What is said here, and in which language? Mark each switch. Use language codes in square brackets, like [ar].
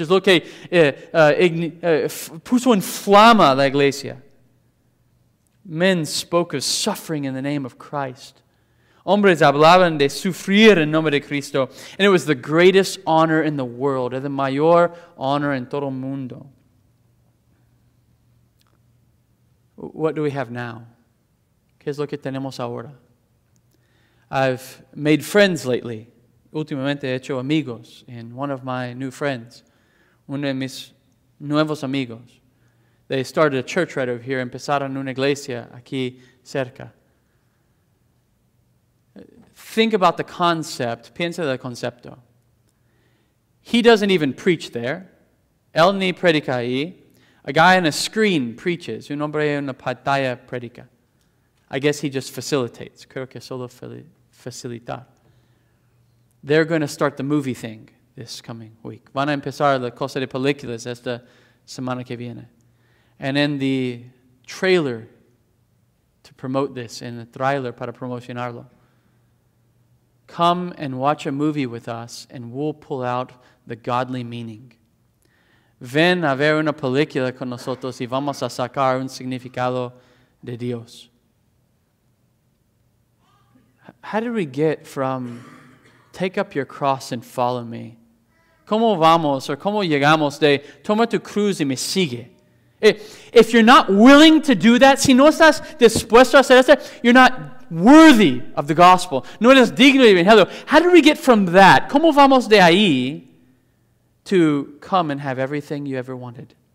[es] Es lo que puso en flama la iglesia. [en] Men spoke of suffering in the name of Christ. [es] Hombres hablaban de sufrir en nombre de Cristo. [en] And it was the greatest honor in the world, the [es] mayor honor en todo el mundo. [en] What do we have now? [es] ¿Qué es lo que tenemos ahora? [en] I've made friends lately. [es] Últimamente he hecho amigos [en] in one of my new friends. [es] Uno de mis nuevos amigos. [en] They started a church right over here. [es] Empezaron una iglesia aquí cerca. [en] Think about the concept. [es] Piensa del concepto. [en] He doesn't even preach there. [es] Él ni predica ahí. [en] A guy on a screen preaches. [es] Un hombre en una pantalla predica. [en] I guess he just facilitates. [es] Creo que solo facilitar. [en] They're going to start the movie thing this coming week. [es] Van a empezar la cosa de películas esta semana que viene. [en] And in the trailer to promote this, in the trailer [es] para promocionarlo, [en] come and watch a movie with us and we'll pull out the godly meaning. [es] Ven a ver una película con nosotros y vamos a sacar un significado de Dios. [en] How did we get from take up your cross and follow me? [es] ¿Cómo vamos or cómo llegamos de toma tu cruz y me sigue? [en] If you're not willing to do that, [es] si no estás dispuesto a hacer eso, [en] you're not worthy of the gospel. [es] No eres digno de evangelio. [en] How did we get from that? [es] ¿Cómo vamos de ahí [en] to come and have everything you ever wanted?